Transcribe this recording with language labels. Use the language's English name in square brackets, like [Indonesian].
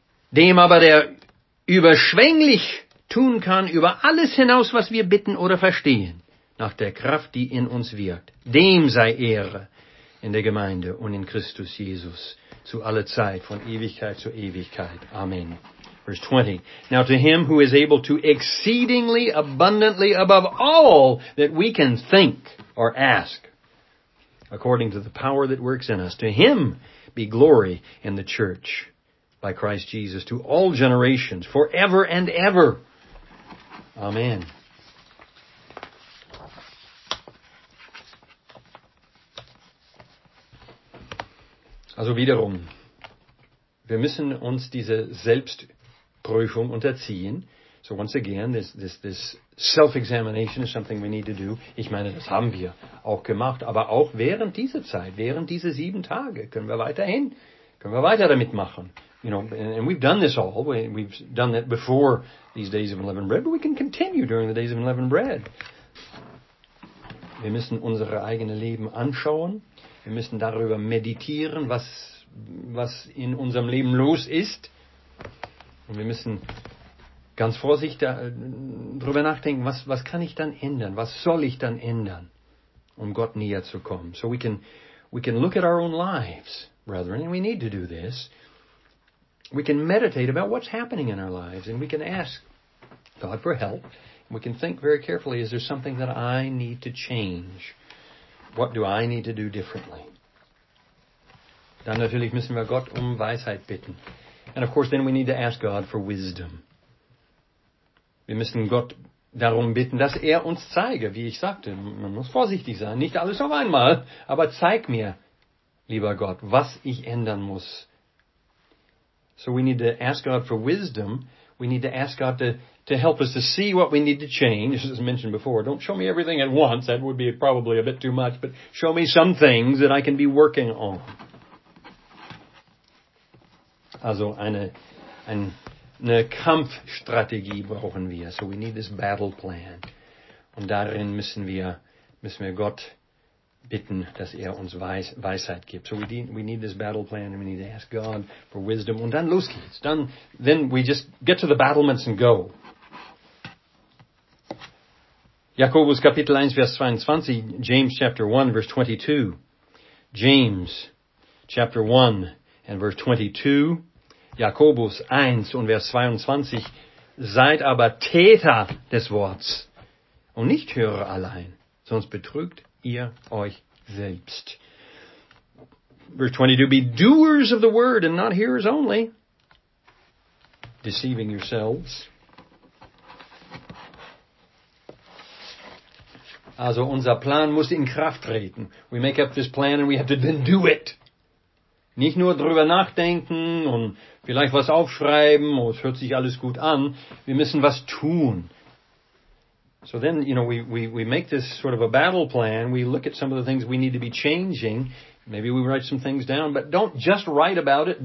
[German] Dem aber, der überschwänglich tun kann, über alles hinaus, was wir bitten oder verstehen, nach der Kraft, die in uns wirkt, dem sei Ehre in der Gemeinde und in Christus Jesus zu aller Zeit, von Ewigkeit zu Ewigkeit. [English] Amen. Verse 20. Now to him who is able to exceedingly abundantly above all that we can think or ask, according to the power that works in us, to him be glory in the church by Christ Jesus to all generations forever and ever. Amen. [German] Also wiederum, wir müssen uns diese Selbstprüfung unterziehen. [English] So once again, this self-examination is something we need to do. [German] Ich meine, das haben wir auch gemacht, aber auch während dieser Zeit, während dieser 7 Tage, können wir weiter damit machen. [English] You know, and we've done this all. We've done that before these days of unleavened bread, but we can continue during the days of unleavened bread. [German] Wir müssen unsere eigene Leben anschauen. Wir müssen darüber meditieren, was in unserem Leben los ist. Und wir müssen ganz vorsichtig darüber nachdenken, was kann ich dann ändern? Was soll ich dann ändern, um Gott näher zu kommen? [English] So we can look at our own lives, brethren, and we need to do this. We can meditate about what's happening in our lives, and we can ask God for help. And we can think very carefully, is there something that I need to change? What do I need to do differently? [German] Dann natürlich müssen wir Gott um Weisheit bitten. [English] And of course, then we need to ask God for wisdom. [German] Wir müssen Gott darum bitten, dass uns zeige, wie ich sagte. Man muss vorsichtig sein, nicht alles auf einmal. Aber zeig mir, lieber Gott, was ich ändern muss. [English] So we need to ask God for wisdom. We need to ask God to help us to see what we need to change. As mentioned before, don't show me everything at once. That would be probably a bit too much. But show me some things that I can be working on. [German] Also eine Kampfstrategie brauchen wir. [English] So we need this battle plan. [German] Und darin müssen wir Gott bitten, dass uns Weisheit gibt. [English] So we need this battle plan, and we need to ask God for wisdom. [German] Und dann los geht's. [English] Then we just get to the battlements and go. [German] Jakobus Kapitel 1, Vers 22, [English] James chapter 1, verse 22. James chapter 1 and verse 22. [German] Jakobus 1 und Vers 22. Seid aber Täter des Worts und nicht Hörer allein, sonst betrügt ihr euch selbst. [English] Verse 22. Be doers of the word and not hearers only, deceiving yourselves. [German] Also unser Plan muss in Kraft treten. [English] We make up this plan and we have to then do it. [German] Nicht nur drüber nachdenken und vielleicht was aufschreiben, oh, es hört sich alles gut an. Wir müssen was tun. [English] So then, you know, we make this sort of a battle plan. We look at some of the things we need to be changing. Maybe we write some things down, but don't just write about it.